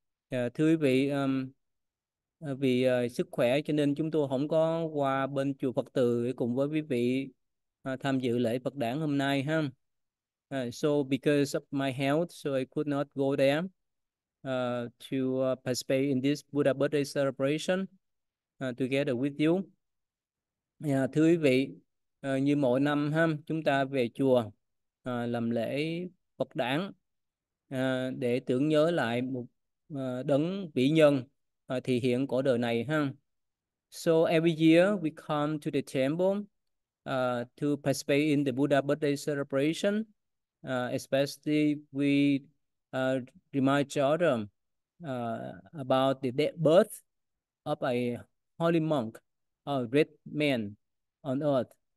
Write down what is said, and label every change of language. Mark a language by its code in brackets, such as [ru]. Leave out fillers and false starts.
[vi] Thưa quý vị, vì sức khỏe cho nên chúng tôi không có qua bên chùa Phật Từ cùng với quý vị tham dự lễ Phật đản hôm nay ha. [en] So because of my health, so I could not go there to participate in this Buddha birthday celebration together with you. [vi] Thưa quý vị, như mỗi năm ha, chúng ta về chùa làm lễ Phật đản để tưởng nhớ lại một đấng vĩ nhân thì hiện cõi đời này ha. [en] So every year we come to the temple to participate in the Buddha birthday celebration. Especially we remind children about the death birth of a holy monk, a great man on earth.